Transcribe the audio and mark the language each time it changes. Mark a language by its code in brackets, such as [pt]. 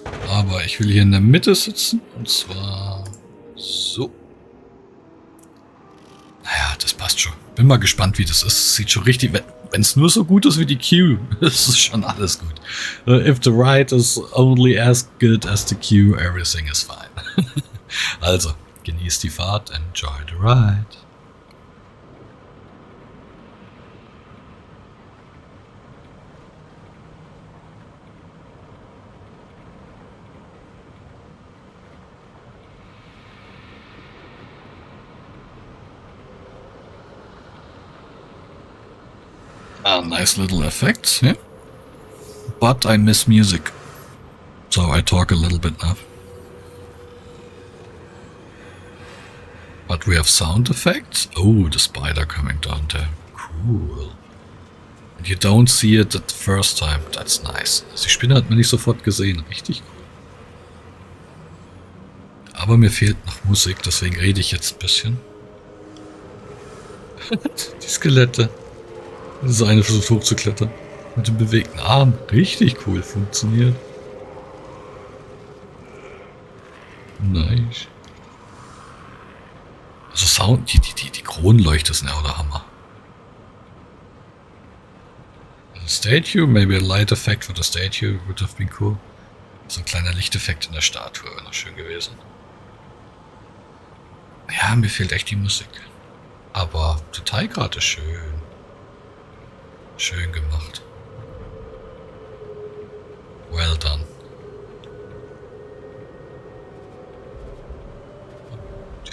[de] Aber ich will hier in der Mitte sitzen. Und zwar so. Naja, das passt schon. Bin mal gespannt, wie das ist. Sieht schon richtig... Wenn es nur so gut ist wie die Queue, ist es schon alles gut. [en] If the ride is only as good as the queue, everything is fine. [de] Also, genießt die Fahrt. [en] Enjoy the ride. Nice little effects, yeah. But I miss music. So I talk a little bit now. But we have sound effects. Oh, the spider coming down there. Cool. And you don't see it the first time. That's nice. [de] Also die Spinne hat man nicht sofort gesehen. Richtig cool. Aber mir fehlt noch Musik, deswegen rede ich jetzt ein bisschen. Die Skelette. Das eine versucht hochzuklettern. Mit dem bewegten Arm. Richtig cool funktioniert. Nice. Also Sound, die Kronleuchte sind ja auch der Hammer. [en] The statue, maybe a light effect for the statue would have been cool. [de] So ein kleiner Lichteffekt in der Statue wäre noch schön gewesen. Ja, mir fehlt echt die Musik. Aber Detailgrad ist schön. Schön gemacht. [en] Well done. Die